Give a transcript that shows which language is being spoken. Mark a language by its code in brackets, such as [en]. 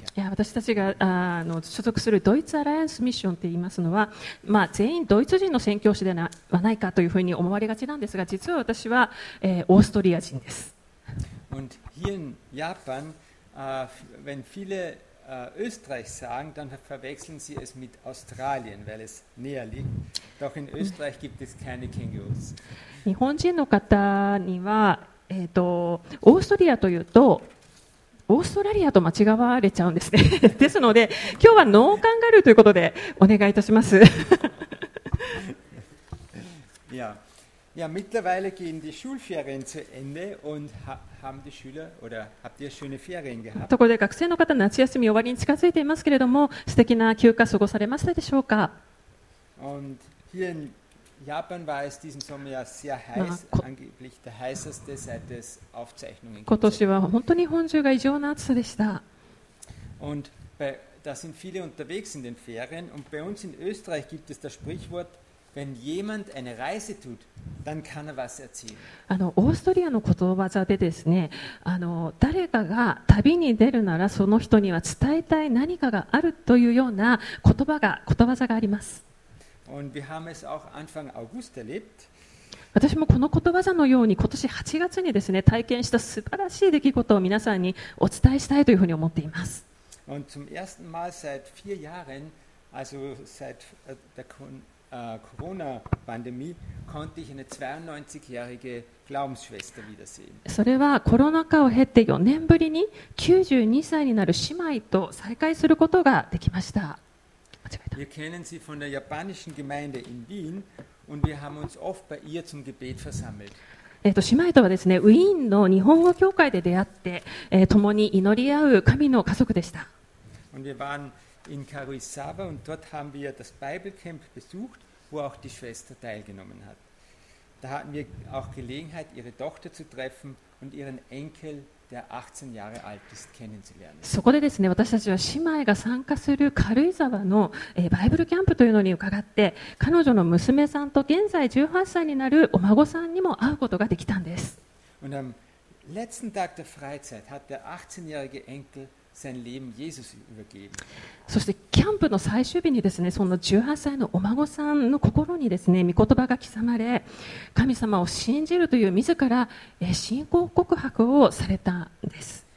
[ja] 私たちが所属するドイツアライアンスミッションといいますのは、まあ、全員ドイツ人の宣教師ではないかというふうに思われがちなんですが、実は私は、オーストリア人です。 [de] Und hier in Japan, wenn vielesÖsterreich sagen, dann verwechseln sie es mit Australien, weil es näher liegt. Doch in Österreich gibt es keine Kängurus. [ja] 日本人の方には、オーストリアというとオーストラリアと間違われちゃうんですね。ですので、今日はノーカンガルーということでお願いいたします。 [de] Ja. Ja, mittlerweile gehen die Schulferien zu Ende und haben die Schüler oder habt ihr schöne Ferien gehabt? [ja] ところで学生の方、夏休み終わりに近づいていますけれども、素敵な休暇過ごされましたでしょうか？ [de] Und hier in Japan war es diesen Sommer ja sehr heiß, angeblich der heißeste seit es Aufzeichnungen gibt. [ja] 今年は本当に日本中が異常な暑さでした。 [de] Und da sind viele unterwegs in den Ferien und bei uns in Österreich gibt es das Sprichwort. Wenn jemand eine Reise tut, dann kann er was erzählen. [ja] オーストリアの言葉座でですね、誰かが旅に出るならその人には伝えたい何かがあるというような言葉座があります。 [de] Und wir haben es auch Anfang August erlebt. [ja] 私もこの言葉座のように今年8月にですね、体験した素晴らしい出来事を皆さんにお伝えしたいというふうに思っています。 [de] Und zum ersten Mal seit vier Jahren, also seit der Kon-Corona-Pandemie, konnte ich eine 92-jährige Glaubensschwester wiedersehen. [ja] それはコロナ禍を経て4年ぶりに92歳になる姉妹と再会することができました。 [de] Wir kennen sie von der japanischen Gemeinde in Wien und wir haben uns oft bei ihr zum Gebet versammelt. [ja] 姉妹とはですね、ウィーンの日本語教会で出会って、共に祈り合う神の家族でした。 [de] Und wir waren in Karuizawa und dort haben wir das Bibelcamp besucht, wo auch die Schwester teilgenommen hat. Da hatten wir auch Gelegenheit, ihre Tochter zu treffen und ihren Enkel, der 18 Jahre alt ist, kennenzulernen. [ja] そこでですね、私たちは姉妹が参加する軽井沢の、バイブルキャンプというのに伺って、彼女の娘さんと現在18歳になるお孫さんにも会うことができたんです。 [de] Und am letzten Tag der Freizeit hat der 18-jährige Enkel sein Leben Jesus übergeben. [ja] そしてキャンプの最終日にですね、その18歳のお孫さんの心にですね、御言葉が刻まれ、神様を信じるという自ら信仰告白をされたんです。